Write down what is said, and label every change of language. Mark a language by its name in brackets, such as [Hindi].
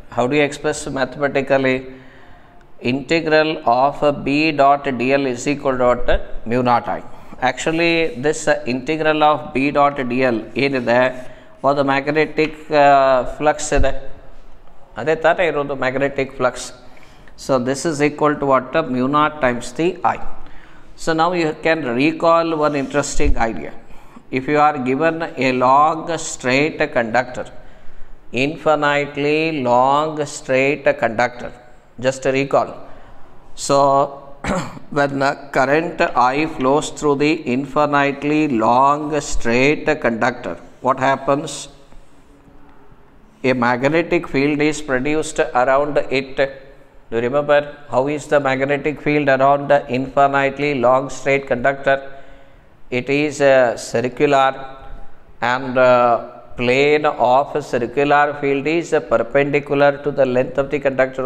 [English] How do you express mathematically? Integral of B dot dl is equal to mu naught I. Actually, this integral of B dot dl in there for the magnetic flux there. [Kannada] ಅದೇ ಥರ ಇರೋದು magnetic flux. [English] So this is equal to what mu naught times the I. [Kannada] So ನಾವು [English] You can recall one interesting idea. If you are given a long straight conductor, infinitely long straight conductor, just recall. So when current I flows through the infinitely long straight conductor, what happens? A magnetic field is produced around it. Do you remember how is the magnetic field around the infinitely long straight conductor? It is circular, and plane of a circular field is perpendicular to the length of the conductor.